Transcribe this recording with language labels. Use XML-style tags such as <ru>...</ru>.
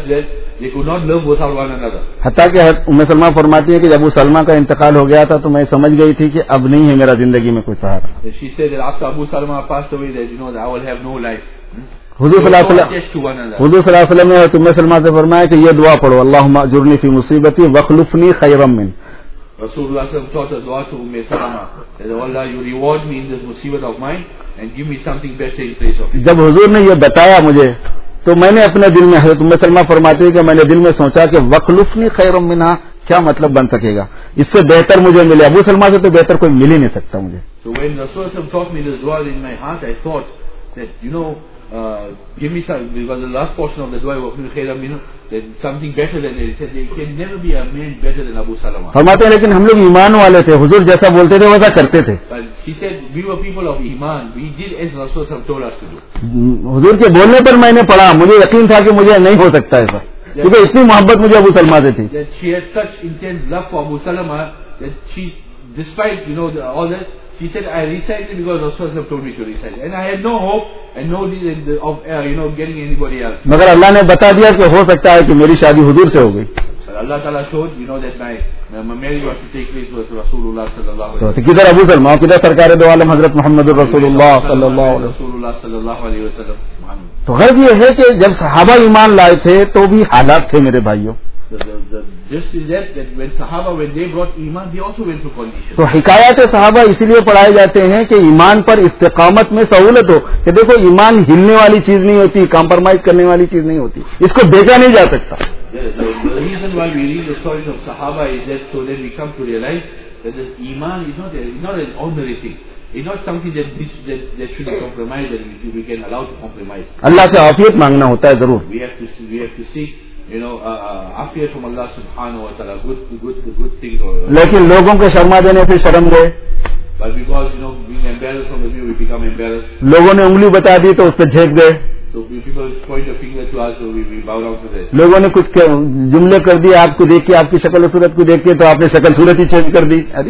<en>The love that the couple had for themselves was such that they could not live without one another.</en> <ur>حتیٰ کہ ام سلمہ فرماتی ہے کہ جب ابو سلمہ کا انتقال ہو گیا تھا تو میں سمجھ گئی تھی کہ اب نہیں ہے میرا زندگی میں کوئی سہارا</ur> <en>passed away that, you know, that I will have no life.</en> <ur>حضور صلی اللہ علیہ وسلم نے ام سلمہ سے فرمایا کہ یہ دعا پڑھو</ur> <ar>اللہم اجرنی فی مصیبتی واخلفنی خیرا من</ar> <en>رسول اللہ صلی اللہ علیہ وسلم taught us دعا سلمہ that Allah, you reward me in this musibat of mine and give me something better in place of it.</en> <ur>جب حضور نے یہ بتایا مجھے تو میں نے اپنے دل میں حضرت ام سلمہ فرماتی ہے کہ میں نے دل میں سوچا کہ</ur> <ar>وخلفنی خیر منہا</ar> <ur>کیا مطلب بن سکے گا اس سے بہتر مجھے ملے ابو سلمہ سے تو بہتر کوئی مل ہی نہیں سکتا مجھے</ur> <en>so when Rasul Allah taught me this dua in my heart I thought that you know give me some because the last portion of the dua</en> <ar>وخلفنی خیر منہا</ar> <en>that something better than it. He said there can never be a man better than Abu Salama.</en> <ur>فرماتے ہیں لیکن ہم لوگ ایمان والے تھے حضور جیسا بولتے تھے ویسا کرتے تھے</ur> <en>He said we were people of iman. We did as Rasul Sahib told us to do.</en> <ur>حضور کے بولنے پر میں نے پڑھا مجھے یقین تھا کہ مجھے نہیں ہو سکتا ایسا کیونکہ اتنی محبت مجھے ابو سلمہ سے تھی</ur> <en>that she had such intense love for Abu Salama that she despite you know the, all that she said I recited because Rasul Sahib told me to recite and I had no hope and no reason of you know getting anybody else</en> <ur>مگر اللہ نے بتا دیا کہ ہو سکتا ہے کہ میری شادی حضور سے ہو گئی</ur> <en>اللہ تعالیٰ showed you know that my marriage was to take place with رسول اللہ صلی اللہ علیہ وسلم</en> <ur>تو کدھر ابو سلمہ کدھر سرکار دو عالم حضرت محمد رسول اللہ صلی اللہ علیہ وسلم تو غرض یہ ہے کہ جب صحابہ ایمان لائے تھے تو بھی حالات تھے میرے بھائیوں</ur> <en>just is that when sahaba when they brought iman they also went through conditions</en> <ur>تو حکایات صحابہ اسی لیے پڑھائے جاتے ہیں کہ ایمان پر استقامت میں سہولت ہو کہ دیکھو ایمان ہلنے والی چیز نہیں ہوتی کمپرمائز کرنے والی چیز نہیں ہوتی اس کو بیچا نہیں جا سکتا</ur> <en>the reason why we read the stories of sahaba is that so then we come to realize that this iman is not an ordinary thing it's not something that should be compromised that we can allow to compromise</en> <ur>اللہ سے عافیت مانگنا ہوتا ہے ضرور</ur> <en>we have to see you know afiya from Allah subhanahu wa ta'ala good thing or</en> <ur>lekin logon ko sharma dene se sharam gaye</ur> <en>but because you know being embarrassed from the view we become embarrassed</en> <ur>logon ne ungli bata di to us pe jhek gaye</ur> <en>so we,</en> <ur>لوگوں نے کچھ جملے کر دیے آپ کو دیکھ کے, آپ کی شکل و صورت کو دیکھ کے, تو آپ نے شکل صورت ہی چینج کر دی.</ur>